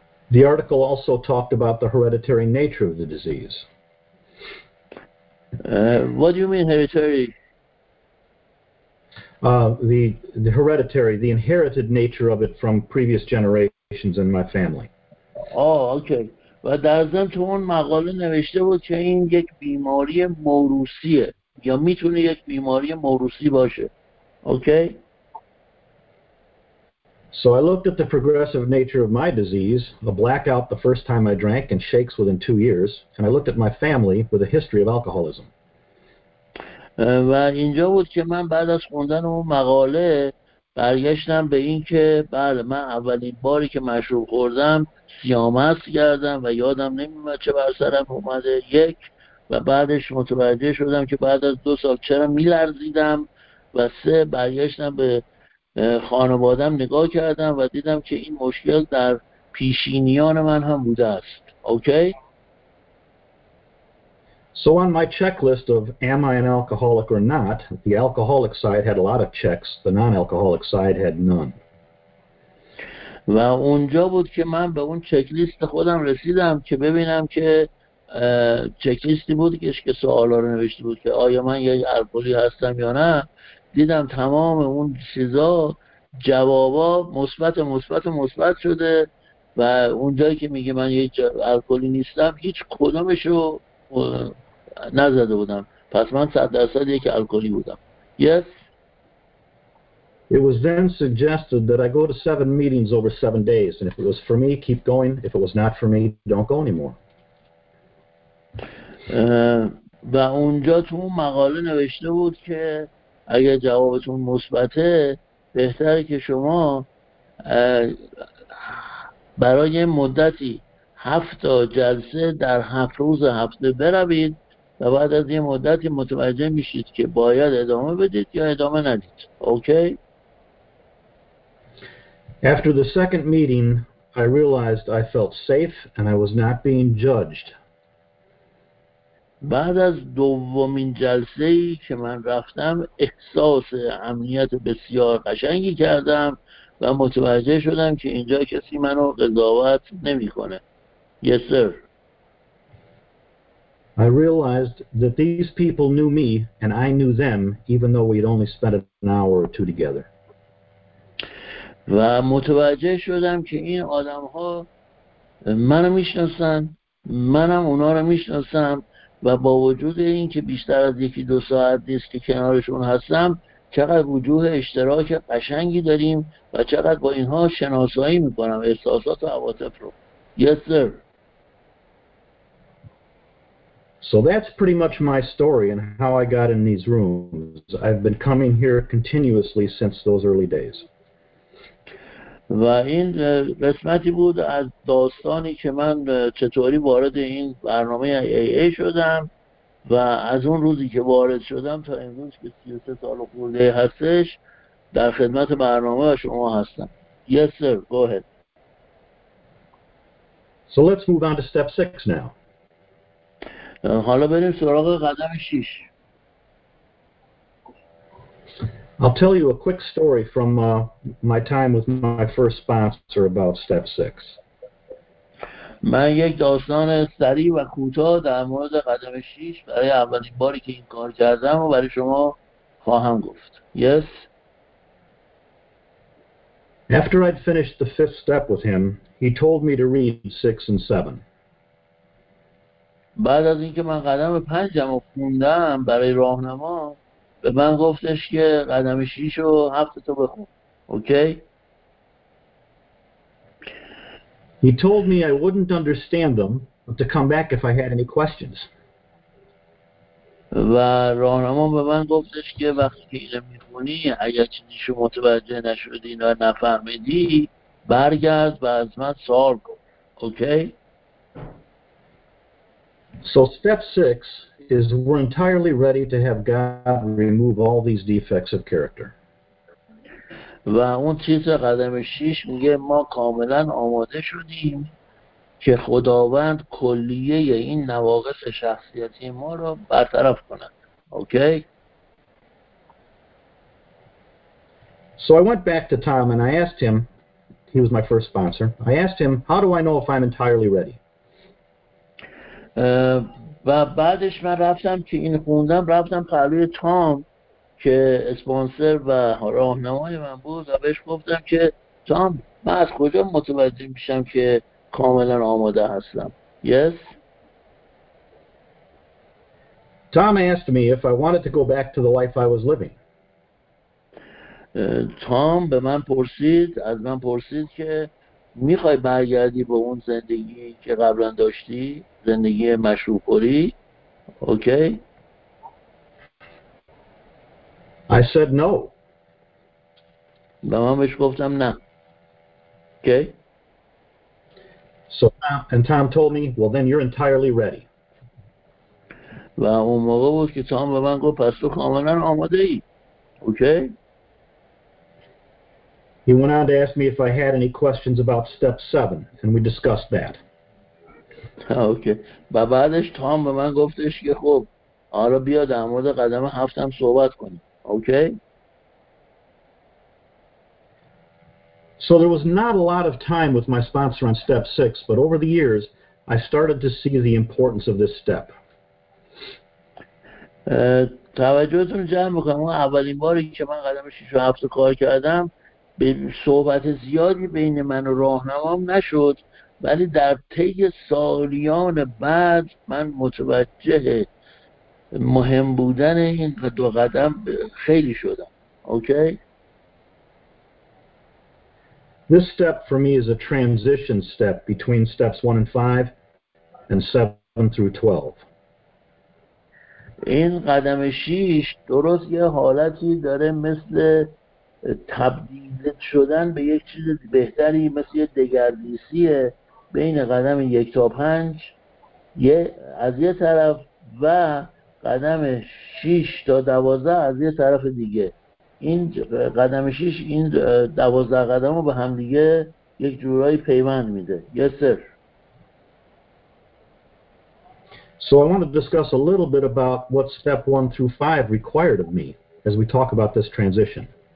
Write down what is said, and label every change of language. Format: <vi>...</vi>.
<en>The article also talked about the hereditary nature of the disease. What do you mean hereditary? The hereditary, the inherited nature of it from previous generations in my family. Oh, okay.</en> <fa>و در ضمن تو اون مقاله نوشته بود که این یک بیماری موروثیه یا میتونه یک بیماری موروثی باشه.</fa> <en>Okay? So I looked at the progressive nature of my disease, a blackout the first time I drank and shakes within 2 years, and I looked at my family with a history of alcoholism.</en> <fa>و اینجا بود که من بعد از خوندن اون مقاله برگشتم به این که بله من اولین باری که مشروب خوردم سیاه‌مست گردم و یادم نمیمد چه بر سرم اومده. یک و بعدش متوجه شدم که بعد از 2 سال چرا میلرزیدم و 3 برگشتم به خانوادم نگاه کردم و دیدم که این مشکل در پیشینیان من هم بوده است.</fa> <en>Okay? So on my checklist of am I an alcoholic or not, the alcoholic side had a lot of checks, the non-alcoholic side had none.</en> <fa>و اونجا بود که من به اون چکلیست خودم رسیدم که ببینم که چکلیستی بود که سوالا رو نوشته بود که آیا من یک الکلی هستم یا نه. دیدم تمام اون چیزا جوابا مثبت مثبت مثبت شده و اونجایی که میگه من یک الکلی نیستم هیچ کدومشو نزده بودم. پس من 100% یک الکلی بودم.</fa> <en>Yes. It was then suggested that I go to 7 meetings over 7 days and if it was for me keep going, if it was not for me don't go anymore.</en> <fa>و اونجا تو اون مقاله نوشته بود که اگر جوابتون مثبته بهتره که شما برای مدتی 7 تا جلسه در 7 روز هفته بروید و بعد از یه مدتی متوجه میشید که باید ادامه بدید یا ادامه ندید.</fa> <en>Okay? After the second meeting, I realized I felt safe and I was not being judged.</en> <fa>بعد از دومین جلسه‌ای که من رفتم احساس امنیت بسیار قشنگی کردم و متوجه شدم که اینجا کسی منو قضاوت نمی‌کنه.</fa> <en>Yes, sir. I realized that these people knew me and I knew them even though we'd only spent an hour or two together.</en> <fa>و متوجه شدم که این آدم‌ها منو می‌شناسن، منم اونا رو می‌شناسم و با وجود اینکه بیشتر از یکی دو ساعت نیست که کنارشون هستم، چقدر وجوه اشتراک قشنگی داریم و چقدر با اینها شناسایی می‌کنم احساسات و عواطف رو.</fa> <en>Yes, sir. So that's pretty much my story and how I got in these rooms. I've been coming here continuously since those early days.</en> <fa>و این قسمتی بود از داستانی که من چطوری وارد این برنامه AA شدم و از اون روزی که وارد شدم تا امروز که 33 سال خورده هستش در خدمت برنامه شما هستم.</fa> <en>Yes sir, go ahead. So let's move on to step 6 now.</en> <fa>حالا بریم سراغ قدم 6.</fa> <en>I'll tell you a quick story from my time with my first sponsor about step 6.</en> <fa>من یک داستان سریع و کوتاه در مورد قدم 6 برای اولین باری که این کار کردم و برای شما خواهم گفت.</fa> <en>Yes. After I'd finished the fifth step with him, he told me to read 6 and 7.</en> <fa>بعد از اینکه من قدم 5م رو خوندم برای راهنما به من گفتش که قدم 6 و 7 تو بخون.</fa> <en>Okay? He told me I wouldn't understand them but to come back if I had any questions.</en> <fa>و راهنما به من گفتش که وقتی که اینو میخونی اگر چیزی شما متوجه نشدی یا نفهمیدی برگرد و از من سوال کن.</fa> <en>Okay? So step 6 is we're entirely ready to have God remove all these defects of character.</en> <fa>و اون چیز قدم 6 میگه ما کاملا آماده شدیم که خداوند کلیه این نواقص شخصیتی ما را برطرف کند.</fa> <en>Okay? So I went back to Tom and I asked him, he was my first sponsor. I asked him, how do I know if I'm entirely ready?</en> <fa>و بعدش من رفتم که این خوندم رفتم پهلوی تام که اسپانسر و راهنمای من بود و بهش گفتم که تام من از کجا متوجه میشم که کاملا آماده هستم.</fa> <en>Yes. Tom asked me if I wanted to go back to the life I was living.</en> <fa>تام به من پرسید از من پرسید که میخوای برگردی به اون زندگی که قبلا داشتی؟ زندگی مشروب خوری.</fa> <en>Okay. I said no.</en> <fa>به من بهش گفتم نه. اوکی.</fa> <en>So and Tom told me, well then you're entirely ready.</en> <fa>و اون موقع بود که تام به من گفت پس تو کاملا آماده ای. اوکی.</fa> <en>He went on to ask me if I had any questions about step 7, and we discussed that. Okay.</en> <fa>و بعدش تام به من گفتش که خب حالا بیا در مورد قدم 7 هم صحبت کنیم.</fa> <en>Okay. So there was not a lot of time with my sponsor on step 6, but over the years I started to see the importance of this step.</en> <fa>توجهتون جمع میکنم اون اولین باری که من قدم 6 و 7 کار کردم به صحبت زیادی بین من و راهنمام نشد ولی در طی سالیان بعد من متوجه مهم بودن این دو قدم خیلی شدم.</fa> <en>Okay? This step for me is a transition step between steps 1 and 5 and 7 through 12.</en> <fa>این قدم 6 درست یه حالتی داره مثل تبدیل شدن به یک چیز بهتری مثل یه دگردیسیه بین قدم 1 تا 5 از یه طرف و قدم 6 تا 12 از یه طرف دیگه این قدم 6 این 12 قدم رو به هم دیگه یک جورایی پیوند میده</fa> <en>yes sir So I want to discuss a little bit about what step 1 through 5 required of me as we talk about this transition.</en>